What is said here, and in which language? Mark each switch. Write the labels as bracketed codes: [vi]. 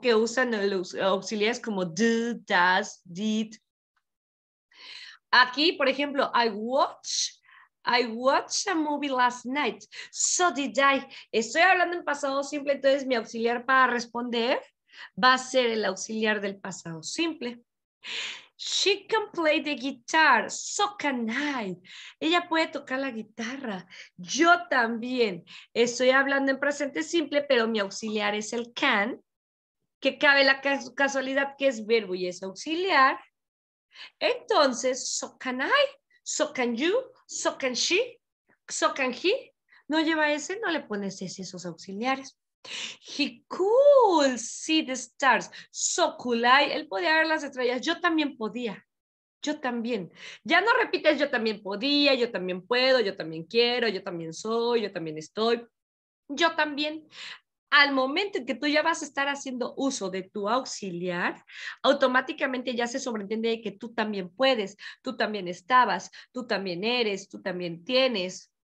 [es] Que usan los auxiliares como do, does, did. Aquí, por ejemplo, [en] I watched a movie last night, so did I. [es] Estoy hablando en pasado simple, entonces mi auxiliar para responder va a ser el auxiliar del pasado simple. [en] She can play the guitar, so can I. [es] Ella puede tocar la guitarra, yo también. Estoy hablando en presente simple, pero mi auxiliar es el can, que cabe la casualidad que es verbo y es auxiliar. Entonces, [en] so can I, so can you, so can she, so can he. [es] No lleva ese, no le pones ese, esos auxiliares. [en] He could see the stars, so could I. [es] Él podía ver las estrellas, yo también podía, yo también. Ya no repites yo también podía, yo también puedo, yo también quiero, yo también soy, yo también estoy, yo también. Al momento en que tú ya vas a estar haciendo uso de tu auxiliar, automáticamente ya se sobreentiende que tú también puedes, tú también estabas, tú también eres, tú también tienes.